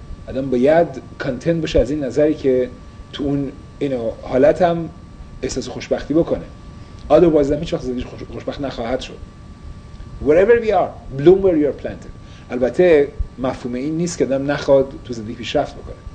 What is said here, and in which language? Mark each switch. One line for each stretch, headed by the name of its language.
Persian: آدم باید کانتنت باشه از این نظری که تو اون اینو حالتم احساس خوشبختی بکنه. Otherwise هیچ وقت زندگی خوشبخت نخواهد شد.
English: Wherever we are, bloom where you are planted.
Persian: البته مفهوم این نیست که آدم نخواد تو زندگی پیشرفت بکنه.